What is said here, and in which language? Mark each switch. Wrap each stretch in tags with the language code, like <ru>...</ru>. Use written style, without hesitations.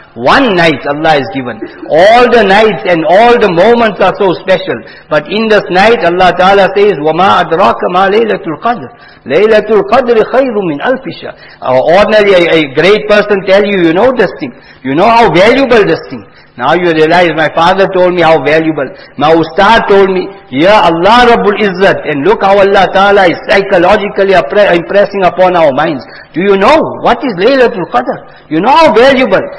<en>One night Allah has given. All the nights and all the moments are so special. But in this night Allah Ta'ala says,</en> <ar>وَمَا أَدْرَاكَ مَا لَيْلَةُ الْقَدْرِ لَيْلَةُ الْقَدْرِ خَيْرٌ مِنْ أَلْفِ شَهْرٍ.</ar> <en>Ordinarily a great person tell you, you know this thing. You know how valuable this thing. Now you realize, my father told me how valuable. My ustad told me, ya Allah Rabbul Izzat. And look how Allah Ta'ala is psychologically impressing upon our minds. Do you know what is Laylatul Qadr? You know how valuable.</en>